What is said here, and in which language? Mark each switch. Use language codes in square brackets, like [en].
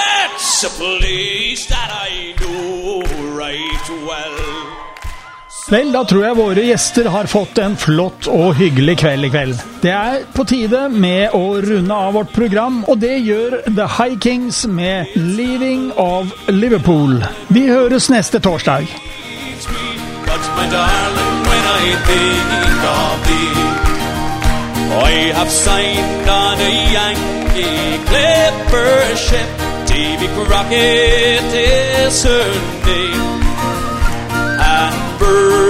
[en] It's a place that I know right well. [no] Vel, da tror jeg våre gjester har fått en flott og hyggelig kveld i kveld. Det på tide med å runde av vårt program, og det gjør The High Kings med Leaving of Liverpool. Vi høres neste torsdag. [en] But my darling, when I think of thee, I have signed on a Yankee clipper ship. Davy Crockett is her name. And birds